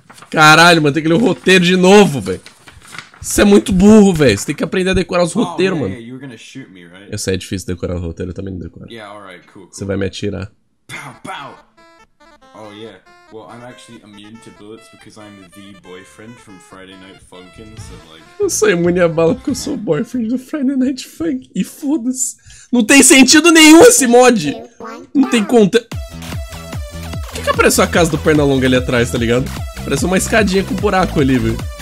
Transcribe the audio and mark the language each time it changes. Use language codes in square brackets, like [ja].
[pt] Caralho, mano. Tem que ler o roteiro de novo, velho. Você é muito burro, velho. Você tem que aprender a decorar os roteiros, mano. Eu sei, é difícil decorar o roteiro. Eu também não decoro. Você vai me atirar. Pow, pow! Oh, yeah. [en] Well, I'm actually immune to bullets because I'm the boyfriend from Friday Night Funkin', so, like... [pt] Eu sou imune a bala porque eu sou o boyfriend do Friday Night Funk. E foda-se. Não tem sentido nenhum esse mod! Não tem conta... Por que que apareceu a casa do Pernalonga ali atrás, tá ligado? Parece uma escadinha com um buraco ali, viu?